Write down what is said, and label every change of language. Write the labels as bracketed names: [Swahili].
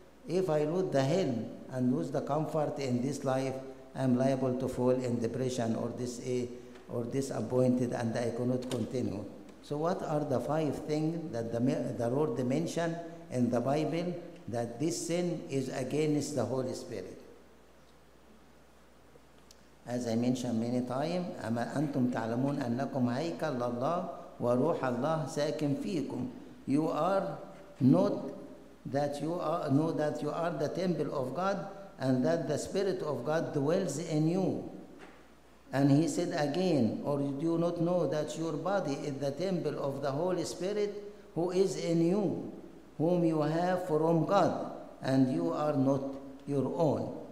[English] If I lose the help and lose the comfort in this life, I'm liable to fall in depression or disappointed and I cannot continue. So what are the five things that the Lord mentioned in the Bible that this sin is against the Holy Spirit? As I mentioned many times, [Arabic] أما أنتم تعلمون أنكم هيكل الله وروح الله ساكن فيكم. [English] You are not that you are, know that you are the temple of God and that the Spirit of God dwells in you. And he said again, or do you not know that your body is the temple of the Holy Spirit who is in you, whom you have from God, and you are not your own?